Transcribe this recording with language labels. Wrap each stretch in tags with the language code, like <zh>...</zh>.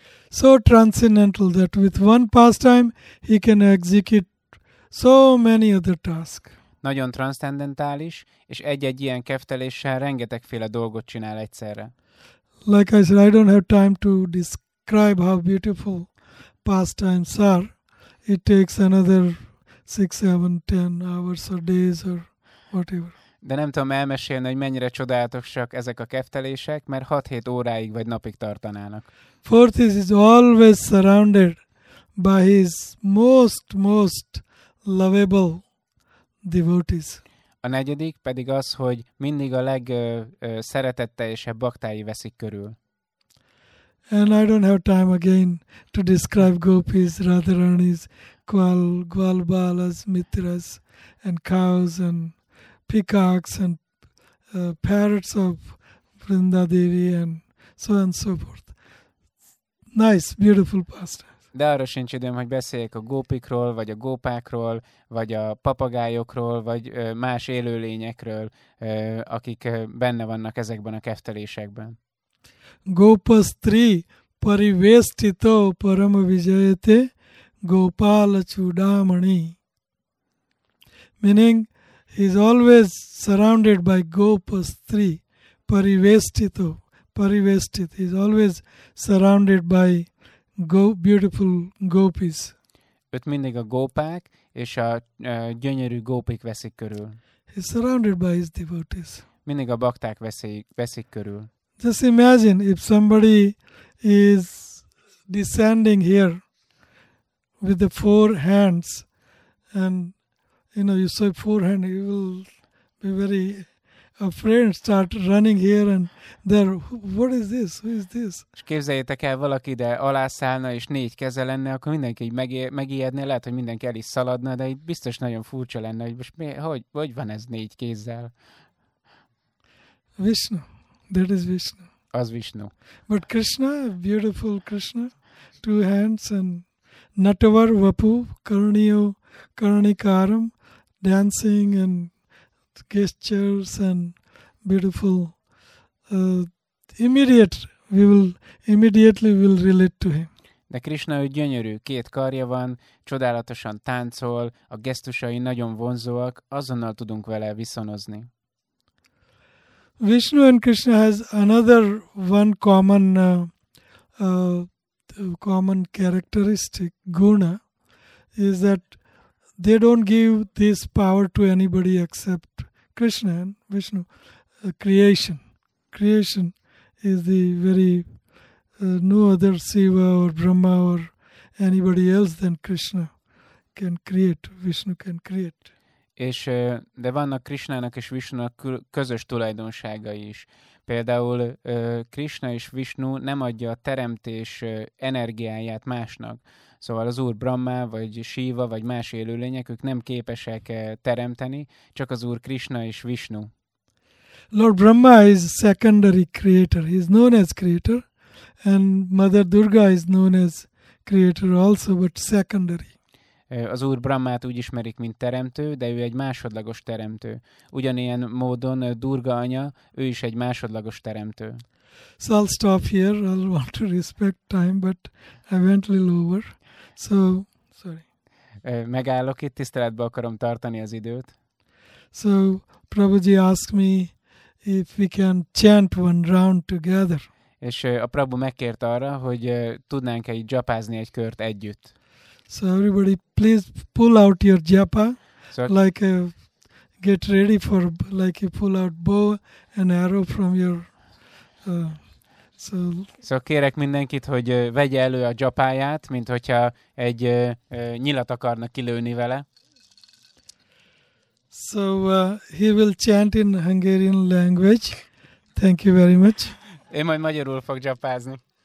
<en>So transcendental that with one pastime he can execute so many other tasks.</en> <hu>Nagyon transzcendentális, és egy-egy ilyen kefteléssel rengetegféle dolgot csinál egyszerre.</hu> <en>Like I said, I don't have time to describe how beautiful pastimes are. It takes another 6, 7, 10 hours or days or whatever.</en> <hu>De nem tudom elmesélni, hogy mennyire csodálatosak ezek a keftelések, mert 6-7 óráig vagy napig tartanának.</hu> <en>Fourth is always surrounded by his most lovable devotees.</en> <hu>A negyedik pedig az, hogy mindig a legszeretetteljesebb baktái veszik körül.</hu> <en>And I don't have time again to describe gopis, radharanis, gwalbalas, mitras, and cows, and peacocks and parrots of Vrinda Devi and so forth. Nice, beautiful pastimes.</en> <hu>De arra sincs időm, hogy beszéljek a gópikról, vagy a gópákról, vagy a papagájokról, vagy más élőlényekről, akik benne vannak ezekben a keftelésekben.</hu> <sa>Gopas tri parivestito paramavijayate gopala chudamani.</sa> <en>Meaning, he is always surrounded by gopas three, parivestito, parivestit. He is always surrounded by beautiful gopis.</en> <hu>Őt mindig a gópák és a gyönyörű gópik veszik körül.</hu> <en>He is surrounded by his devotees.</en> <hu>Mindig a bakták veszik körül.</hu> <en>Just imagine if somebody is descending here with the four hands and you know, you say forehand, you will be very afraid and start running here and there. What is this? Who is this?</en> <hu>És képzeljétek el, valaki ide alászállna és négy keze lenne, akkor mindenki így megijedne, lehet, hogy mindenki el is szaladna, de itt biztos nagyon furcsa lenne, hogy most hogy van ez négy kézzel?</hu> <en>Vishnu. That is Vishnu.</en> <hu>Az Vishnu.</hu> <en>But Krishna, beautiful Krishna, two hands and</en> <sa>Natavar, Vapu, Karaniyo, Karanikaram,</sa> <en>dancing and gestures and beautiful. Immediately we will relate to him.</en> <hu>De Krishna, hogy gyönyörű, két karja van, csodálatosan táncol, a gesztusai nagyon vonzóak, azonnal tudunk vele viszonozni.</hu> <en>Vishnu and Krishna has another one common characteristic, guna, is that they don't give this power to anybody except Krishna and Vishnu. Creation is the very, no other Shiva or Brahma or anybody else than Krishna can create, Vishnu can create.</en> <hu>És de vannak Krishnának és Vishnunak közös tulajdonságai is. Például Krishna és Vishnu nem adja a teremtés energiáját másnak. Szóval az Úr Brahma, vagy Shiva, vagy más élőlények, ők nem képesek teremteni, csak az Úr Krishna és Vishnu.</hu> <en>Lord Brahma is secondary creator. He is known as creator. And Mother Durga is known as creator also, but secondary.</en> <hu>Az Úr Brahmát úgy ismerik, mint teremtő, de ő egy másodlagos teremtő. Ugyanilyen módon Durga anya, ő is egy másodlagos teremtő.</hu> <en>So I'll stop here. I'll want to respect time, but I went a little over. So, sorry.</en> <hu>Megállok itt, tiszteletbe akarom tartani az időt.</hu> <en>So, Prabhuji asked me if we can chant one round together.</en> <hu>És a Prabhu megkért arra, hogy tudnánk egy japázni egy kört együtt.</hu> <en>So everybody, please pull out your japa, so, like get ready for, like you pull out bow and arrow from your. So</en> <hu>kérek mindenkit, hogy vegye elő a japáját, mint hogyha egy nyilat akarnak kilőni vele.</hu> <en>So he will chant in Hungarian language. Thank you very much.</en> <hu>Én majd magyarul fog japázni.</hu>